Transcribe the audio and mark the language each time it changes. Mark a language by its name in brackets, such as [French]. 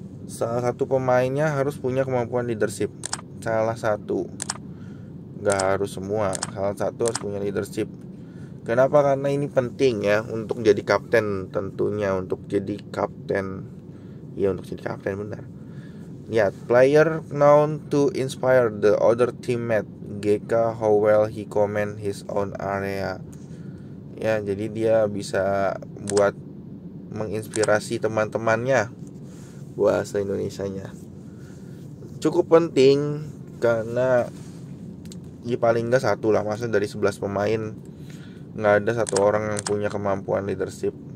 [Indonesian] Salah satu pemainnya harus punya kemampuan leadership. Salah satu, gak harus semua, salah satu harus punya leadership. Kenapa? Karena ini penting ya, untuk jadi kapten tentunya. Untuk jadi kapten benar. Lihat, [English] player known to inspire the other teammate, GK, how well he command his own area. [Indonesian] Ya, jadi dia bisa buat menginspirasi teman-temannya, bahasa Indonesianya. Cukup penting karena ya paling enggak satu lah, maksudnya dari 11 pemain enggak ada satu orang yang punya kemampuan leadership.